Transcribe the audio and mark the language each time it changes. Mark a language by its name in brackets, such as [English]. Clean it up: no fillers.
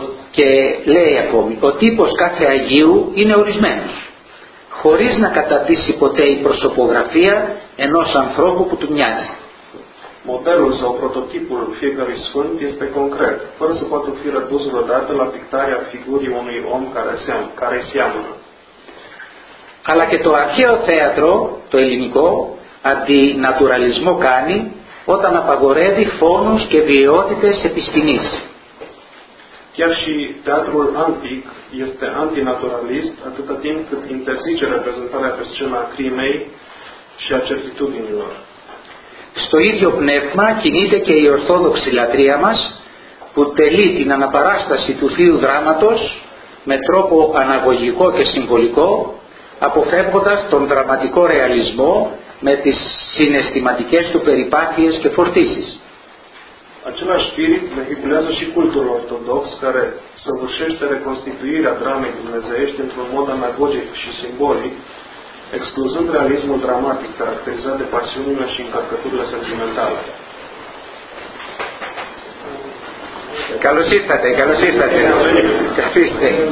[Greek] Και λέει ακόμη, ο τύπος κάθε Αγίου είναι ορισμένος, χωρίς να καταδύσει ποτέ η προσωπογραφία ενός ανθρώπου που του μοιάζει. [Romanian] Modelul sau prototipul fiecărui sfânt este concret, fără să poată fi redus vreodată la pictarea figurii unui om care seamănă. [Greek] Αλλά και το αρχαίο θέατρο, το ελληνικό, αντινατουραλισμό κάνει όταν απαγορεύει φόνους και βιαιότητες επισκηνής. [Romanian] Chiar și teatrul antic este antinaturalist atâta timp cât interzice reprezentarea pe scena crimei și a certitudinilor. [Greek] Στο ίδιο πνεύμα κινείται και η ορθόδοξη λατρεία μας που τελεί την αναπαράσταση του θείου δράματος με τρόπο αναγωγικό και συμβολικό, αποφεύγοντας τον δραματικό ρεαλισμό με τις συναισθηματικές του περιπάτειες και φορτίσεις. [Romanian] Același spirit vehiculează și cultul ortodox care săvârșește reconstituirea dramei dumnezeiești într-un mod anagogic și simbolic, excluzând realismul dramatic caracterizat de pasiunile și încărcăturile sentimentale. [Greek] Καλώς ήρθατε, καλώς ήρθατε. Καθίστε.